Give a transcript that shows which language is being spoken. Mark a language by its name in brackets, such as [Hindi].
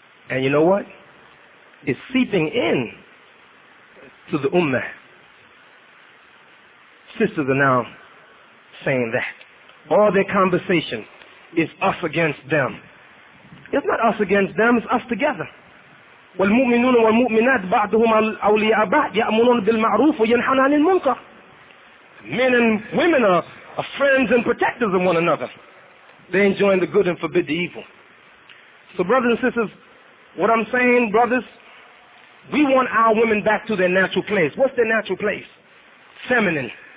[English] And you know what? It's seeping in to the ummah. Sisters are now saying that. All their conversation is us against them. It's not us against them, it's us together. [Arabic] والمؤمنون والمؤمنات بعضهم أولياء بعض يأمرون بالمعروف وينحنى عن المنكر. [English] Men and women are friends and protectors of one another. They enjoin the good and forbid the evil. So brothers and sisters, what I'm saying, brothers, we want our women back to their natural place. What's their natural place? Feminine.